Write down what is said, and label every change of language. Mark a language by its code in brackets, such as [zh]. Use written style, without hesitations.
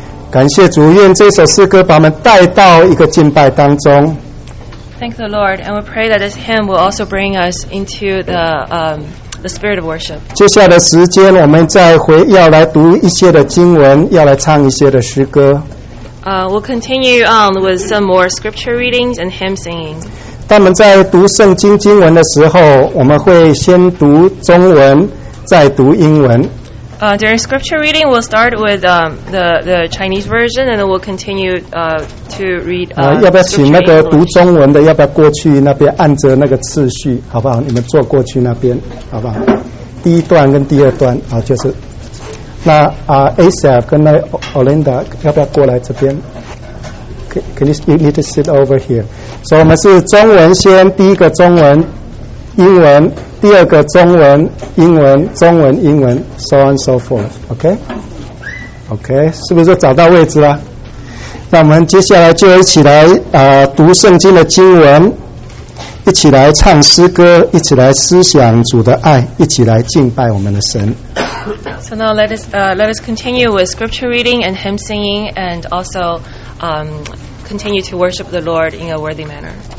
[zh] 感谢主，愿这首诗歌把我们带到一个敬拜当中。 [en] Thank the Lord, and we pray that this hymn will also bring us into the spirit of worship. [zh] 接下来的时间，我们再回要来读一些的经文，要来唱一些的诗歌。 [en] We'll continue on with some more scripture readings and hymn singing. [zh] 当我们在读圣经经文的时候，我们会先读中文，再读英文。 [en] During scripture reading, we'll start with the Chinese version, and then we'll continue to read. [zh] 要不要请那个读中文的，要不要过去那边按着那个次序，好不好？你们坐过去那边，好不好？第一段跟第二段啊，就是那Asia 跟那 Olinda 要不要过来这边？ [en] Can you need to sit over here? So, [zh] 我们是中文先，第一个中文，英文，第二个中文，英文， [en] 中文，英文 ，so on so forth. Okay? Okay? [zh] 是不是找到位置了？那我们接下来就一起来读圣经的经文，一起来唱诗歌，一起来思想主的爱，一起来敬拜我们的神。 [en] So now let us continue with scripture reading and hymn singing and also. Continue to worship the Lord in a worthy manner.